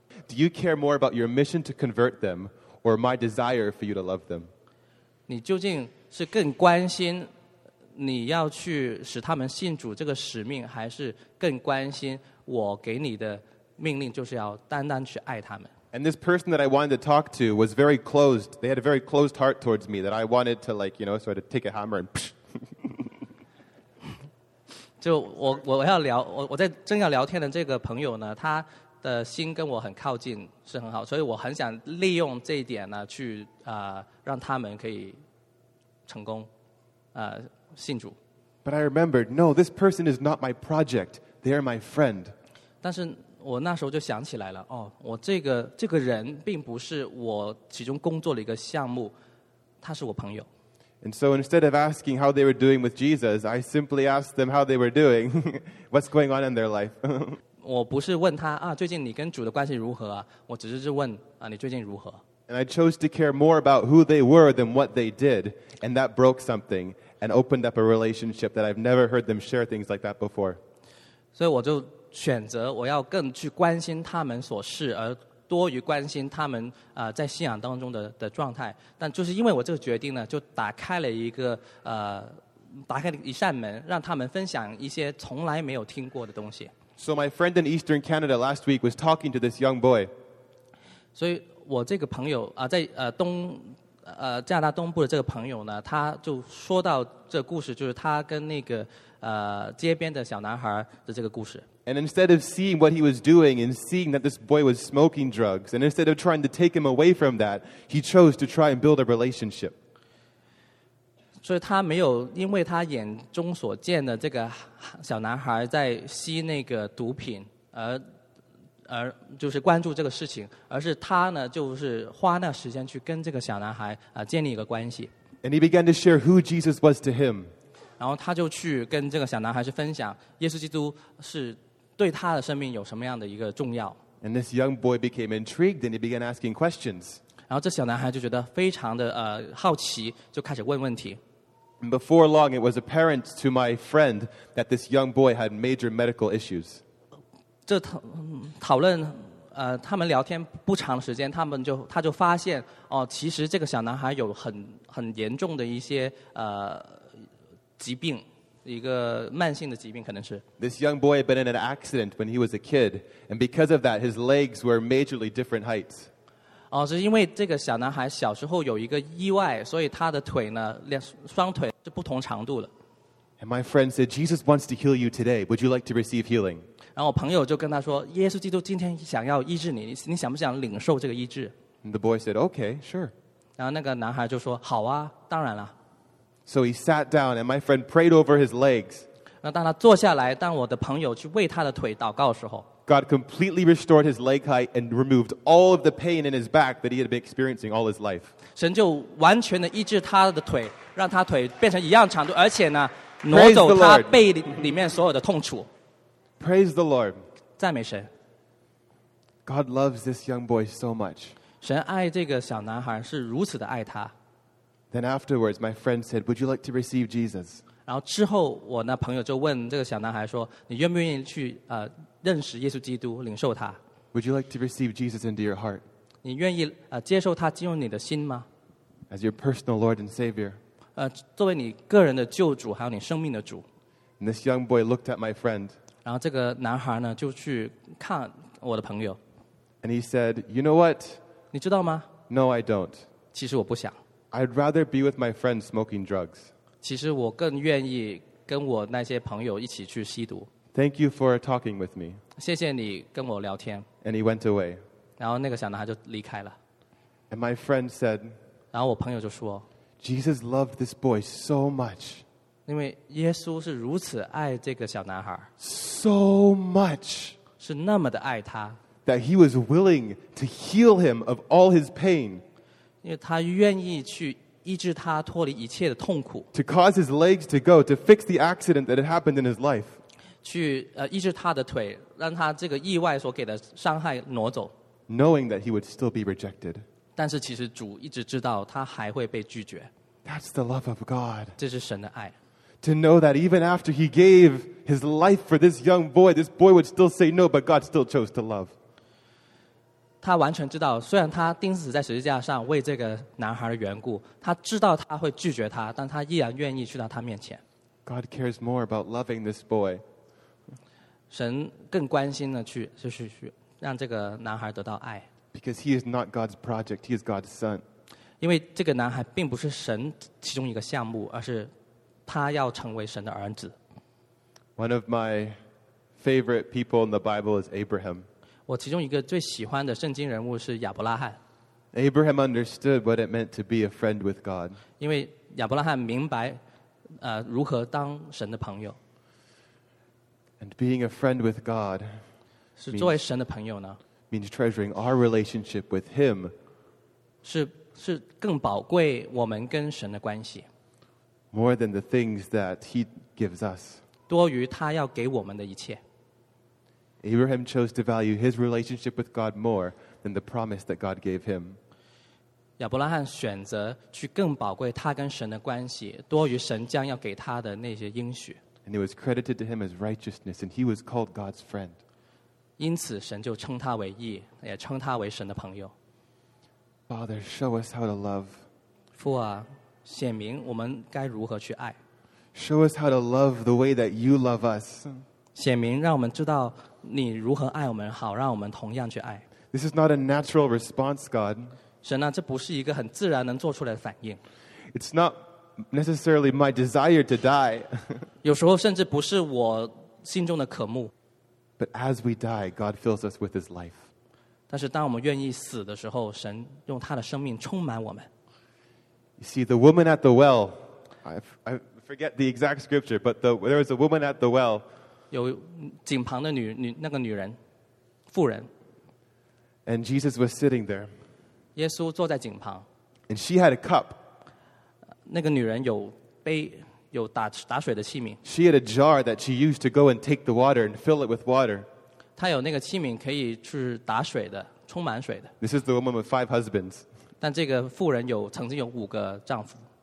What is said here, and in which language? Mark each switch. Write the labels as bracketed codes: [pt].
[en] Do you care more about your mission to convert them, or my desire for you to love them? [zh] 你究竟是更关心你要去使他们信主这个使命，还是更关心我给你的命令就是要单单去爱他们？ [en] And this person that I wanted to talk to was very closed. They had a very closed heart towards me that I wanted to, like, you know, sort of take a hammer and. [zh] 就我要聊我在正要聊天的这个朋友呢，他的心跟我很靠近，是很好，所以我很想利用这一点呢，去让他们可以成功，信主。 [en] But I remembered, no, this person is not my project. They are my friend. [zh] 但是。我那时候就想起来了，哦，我这个人并不是我其中工作的一个项目，他是我朋友。 [en] And so instead of asking how they were doing with Jesus, I simply asked them how they were doing, what's going on in their life. [zh] 我不是问他啊，最近你跟主的关系如何啊？我只是问啊，你最近如何 [en] ？And I chose to care more about who they were than what they did, and that broke something and opened up a relationship that I've never heard them share things like that before. [zh] 所以我就。选择我要更去关心他们所事，而多于关心他们在信仰当中的状态。但就是因为我这个决定呢，就打开了一个打开了一扇门，让他们分享一些从来没有听过的东西。 [en] So my friend in Eastern Canada last week was talking to this young boy. [zh] 所以我这个朋友在加拿大东部的这个朋友呢，他就说到这故事，就是他跟那个街边的小男孩的这个故事。 [en] And instead of seeing what he was doing and seeing that this boy was smoking drugs, and instead of trying to take him away from that, he chose to try and build a relationship. So he [zh] 没有因为他眼中所见的这个小男孩在吸那个毒品而就是关注这个事情，而是他呢就是花那时间去跟这个小男孩建立一个关系。 [en] And he began to share who Jesus was to him. [zh] 然后他就去跟这个小男孩去分享耶稣基督是。对他的生命有什么样的一个重要 [en] ？And this young boy became intrigued, and he began asking questions. [zh] 然后这小男孩就觉得非常的好奇，就开始问问题。 [en] And before long, it was apparent to my friend that this young boy had major medical issues. [zh] 这讨论他们聊天不长时间，他就发现哦，其实这个小男孩有很严重的一些疾病。一个慢性的疾病可能是 [en] This young boy had been in an accident when he was a kid, and because of that, his legs were majorly different heights. [zh] 哦，是因为这个小男孩小时候有一个意外，所以他的腿呢，双腿是不同长度了。 [en] And my friend said, Jesus wants to heal you today. Would you like to receive healing? [zh] 然后我朋友就跟他说，耶稣基督今天想要医治你，你想不想领受这个医治？ [en] And the boy said, Okay, sure. [zh] 然后那个男孩就说，好啊，当然了。 [en] So he sat down, and my friend prayed over his legs. [zh] 那当他坐下来，当我的朋友去为他的腿祷告的时候 [en] ，God completely restored his leg height and removed all of the pain in his back that he had been experiencing all his life. [zh] 神就完全的医治他的腿，让他腿变成一样长度，而且呢，挪走他背里面所有的痛楚。 [en] Praise the Lord. [zh] 赞美神。 [en] God loves this young boy so much. [zh] 神爱这个小男孩是如此的爱他。 [en] Then afterwards, my friend said, "Would you like to receive Jesus?" [zh] 然后之后，我那朋友就问这个小男孩说：“你愿不愿意去认识耶稣基督，领受他 [en] ？”Would you like to receive Jesus into your heart? [zh] 你愿意接受他进入你的心吗 [en] ？As your personal Lord and Savior. [zh] 作为你个人的救主，还有你生命的主。 [en] And this young boy looked at my friend. [zh] 然后这个男孩呢，就去看我的朋友。 [en] And he said, "You know what?" [zh] 你知道吗 [en] ？No, I don't. [zh] 其实我不想。 [en] I'd rather be with my friend smoking drugs. [zh] 其实我更愿意跟我那些朋友一起去吸毒。 [en] Thank you for talking with me. [zh] 谢谢你跟我聊天。 [en] And he went away. [zh] 然后那个小男孩就离开了。 [en] And my friend said, [zh] 然后我朋友就说, [en] Jesus loved this boy so much. [zh] 因为耶稣是如此爱这个小男孩。 [en] So much. [zh] 是那么的爱他。 [en] That he was willing to heal him of all his pain. [zh] 因为他愿意去医治他脱离一切的痛苦。 [en] To cause his legs to go, to fix the accident that had happened in his life. [zh] 去医治他的腿，让他这个意外所给的伤害挪走。 [en] Knowing that he would still be rejected. [zh] 但是其实主一直知道他还会被拒绝。 [en] That's the love of God. [zh] 这是神的爱。 [en] To know that even after he gave his life for this boy would still say no, but God still chose to love. [zh] 他完全知道，虽然他钉死在十字架上为这个男孩的缘故，他知道他会拒绝他，但他依然愿意去到他面前。 [en] God cares more about loving this boy. [zh] 神更关心的去就是去让这个男孩得到爱。 [en] Because he is not God's project, he is God's son. [zh] 因为这个男孩并不是神其中一个项目，而是他要成为神的儿子。 [en] One of my favorite people in the Bible is Abraham. [zh] 我其中一个最喜欢的圣经人物是亚伯拉罕。 [en] Abraham understood what it meant to be a friend with God. [zh] 因为亚伯拉罕明白如何当神的朋友。 [en] And being a friend with God [zh] 是作为神的朋友呢 [en] means treasuring our relationship with him. [zh] 是更宝贵我们跟神的关系。 [en] More than the things that he gives us. [zh] 多于他要给我们的一切。 [en] Abraham chose to value his relationship with God more than the promise that God gave him. [zh] 亚伯拉罕选择去更宝贵他跟神的关系，多于神将要给他的那些应许。 [en] And it was credited to him as righteousness, and he was called God's friend. [zh] 因此神就称他为义，也称他为神的朋友。 [en] Father, show us how to love. [zh] 父啊，显明我们该如何去爱。 [en] Show us how to love the way that you love us. [zh] 显明让我们知道你如何爱我们，好让我们同样去爱。 [en] This is not a natural response, God. [zh] 神啊，这不是一个很自然能做出来的反应。 [en] It's not necessarily my desire to die. [zh] 有时候甚至不是我心中的渴慕。 [en] But as we die, God fills us with his life. [zh] 但是当我们愿意死的时候，神用他的生命充满我们。 [en] You see, the woman at the well, I forget the exact scripture, but there was a woman at the well. [zh] 有井旁的那个女人，妇人。 [en] And Jesus was sitting there. [zh] 耶稣坐在井旁。 [en] And she had a cup. [zh] 那个女人有杯，有打水的器皿。 [en] She had a jar that she used to go and take the water and fill it with water. [zh] 她有那个器皿可以去打水的，充满水的。 [en] This is the woman with five husbands. [zh] 但这个妇人有曾经有五个丈夫。